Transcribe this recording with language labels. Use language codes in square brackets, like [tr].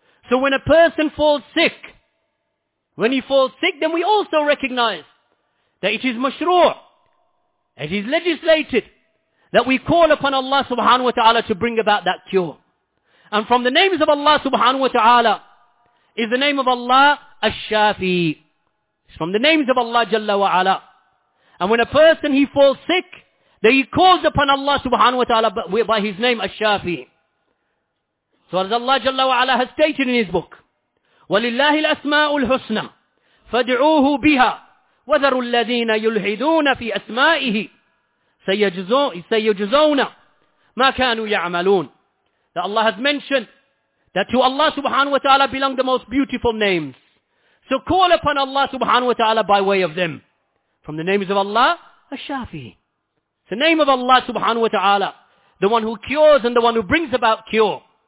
[en] So when a person falls sick, then we also recognize that it is mashru', it is legislated, that we call upon Allah subhanahu wa ta'ala to bring about that cure. And from the names of Allah subhanahu wa ta'ala is the name of Allah, Ash-Shafi. It's from the names of Allah Jalla wa Ala. And when a person, he falls sick, then he calls upon Allah subhanahu wa ta'ala by his name, Ash-Shafi. So as Allah Jalla wa Ala has stated in his book, [ar] وَلِلَّهِ الْأَسْمَاءُ الْحُسْنَى فَادْعُوهُ بِهَا وَذَرُوا الَّذِينَ يُلْحِدُونَ فِي أَسْمَائِهِ سَيَجْزَوْنَ مَا كَانُوا يَعْمَلُونَ. [en] That Allah has mentioned that to Allah subhanahu wa ta'ala belong the most beautiful names. So call upon Allah subhanahu wa ta'ala by way of them. From the names of Allah, Ash-Shafi. It's the name of Allah subhanahu wa ta'ala, the one who cures and the one who brings about cure.